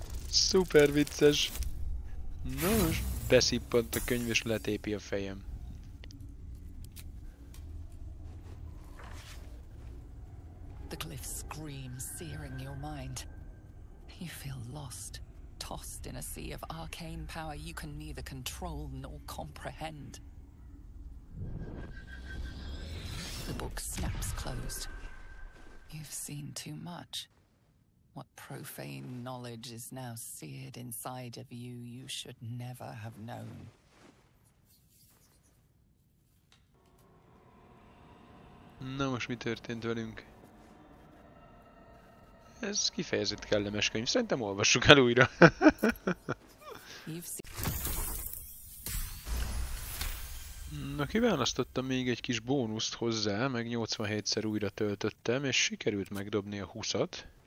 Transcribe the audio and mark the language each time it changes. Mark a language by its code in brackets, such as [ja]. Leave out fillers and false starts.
[hu] Szuper vicces! Nos, beszippant a könyv és letépi a fejem. [en] The glyph screams, searing your mind. You feel lost, tossed in a sea of arcane power you can neither control nor comprehend. The book snaps closed. You've seen too much. What profane knowledge is now seared inside of you, you should never have known. [hu] Na most mi történt velünk? Ez kifejezett kellemes könyv. Szerintem olvassuk el újra. Na kiválasztottam még egy kis bónuszt hozzá, meg 87-szer újra töltöttem, és sikerült megdobni a 20-at.